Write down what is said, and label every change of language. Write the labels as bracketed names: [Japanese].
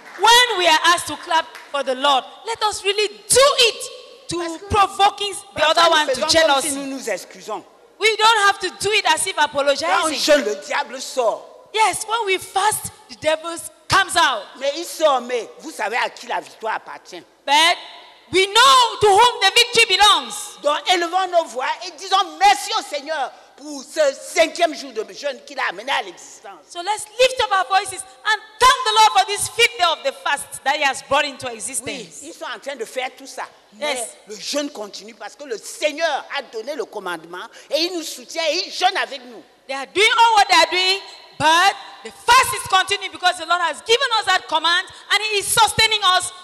[English] When we are asked to clap for the Lord, let us really do it to provoke the other one to jealousy. [French] Si nous nous excusons. [English] We don't have to do it as if apologizing. [French] Quand jeûne, le diable sort. [English] Yes, when we fast, the devil comes out. [French] Mais il sort, mais vous savez à qui la victoire appartient. [English] But we know to whom the victory belongs. [French] Donc élevons nos voix et disons merci au Seigneur pour ce cinquième jour de jeûne qu'il a amené à l'existence. [English] So let's lift up our voices and thank the Lord for this fifth day of the fast that he has brought into existence. [French] Oui, ils sont en train de faire tout ça. [English] Yes. [French] Mais le jeûne continue parce que le Seigneur a donné le commandement et il nous soutient et il jeûne avec nous. [English] They are doing all what they are doing, but the fast is continuing because the Lord has given us that command and he is sustaining us.